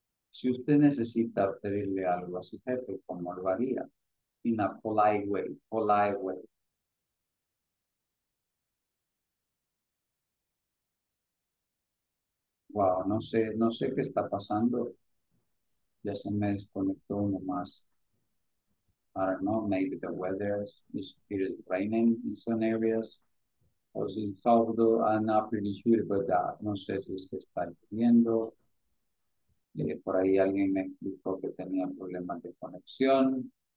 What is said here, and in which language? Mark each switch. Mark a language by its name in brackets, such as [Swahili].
[Spanish] Si usted necesita pedirle algo a su jefe, ¿cómo lo haría? [English] In a polite way, polite way. [Spanish] Wow, no sé, no sé qué está pasando. Ya se me desconectó uno más. [English] I don't know, maybe the weather is, it is raining in some areas. [Spanish] O si [English] Salvador, I'm not pretty sure about that. [Spanish] No sé si es que está lloviendo. Por ahí alguien me explicó que tenía problemas de conexión.